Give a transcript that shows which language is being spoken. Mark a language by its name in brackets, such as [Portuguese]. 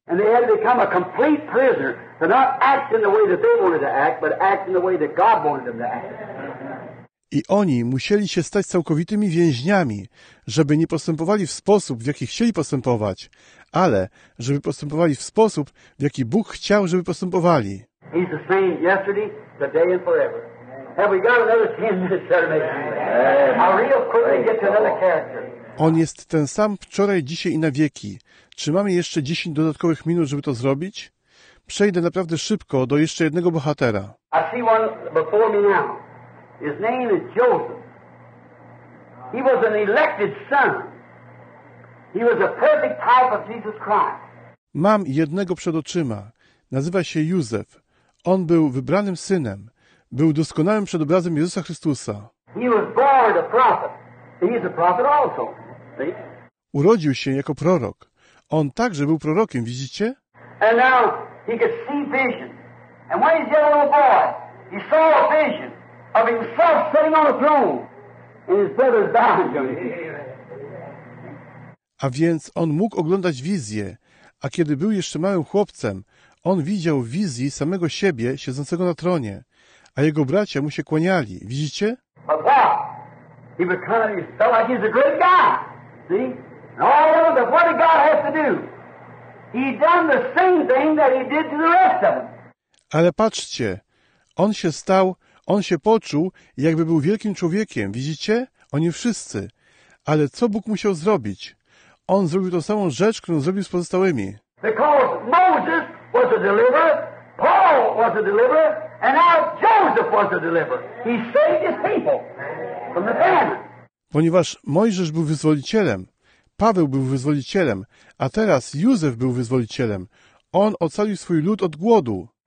[English] And they had become a complete prisoner to not act in the way that they wanted to act, but act in the way that God wanted them to act. [Polish] I oni musieli się stać całkowitymi więźniami, żeby nie postępowali w sposób, w jaki chcieli postępować, ale żeby postępowali w sposób, w jaki Bóg chciał, żeby postępowali. [English] He's the same yesterday, today and forever. Have we got another 10 minutes to make? I'll real quickly get to another character. [Polish] On jest ten sam wczoraj, dzisiaj i na wieki. Czy mamy jeszcze 10 dodatkowych minut, żeby to zrobić? Przejdę naprawdę szybko do jeszcze jednego bohatera. [English] I see one before me now. His name is Joseph. He was an elected son. He was a perfect type of Jesus Christ. [Polish] Mam jednego przed oczyma. Nazywa się Józef. On był wybranym synem. Był doskonałym przedobrazem Jezusa Chrystusa. [English] He was born a prophet. He is a prophet also. See? [Polish] Urodził się jako prorok. On także był prorokiem, widzicie? [English] And now he could see vision. And when he's a little boy, he saw a vision. Of himself sitting on a throne in his brother's bowing. [Polish] A więc on mógł oglądać wizję, a kiedy był jeszcze małym chłopcem, on widział w wizji samego siebie siedzącego na tronie, a jego bracia mu się kłaniali. Widzicie? [English] But what? He was kind of, he felt like he's a great guy. See? No, all of them, what did God have to do? He done the same thing that he did to the rest of them. [Polish] Ale patrzcie, on się stał. On się poczuł, jakby był wielkim człowiekiem, widzicie? Oni wszyscy. Ale co Bóg musiał zrobić? On zrobił tą samą rzecz, którą zrobił z pozostałymi. [English] Because Moses was a deliverer, Paul was a deliverer, and now Joseph was a deliverer. He saved his people from the famine. [Polish] Ponieważ Mojżesz był wyzwolicielem, Paweł był wyzwolicielem, a teraz Józef był wyzwolicielem. On ocalił swój lud od głodu.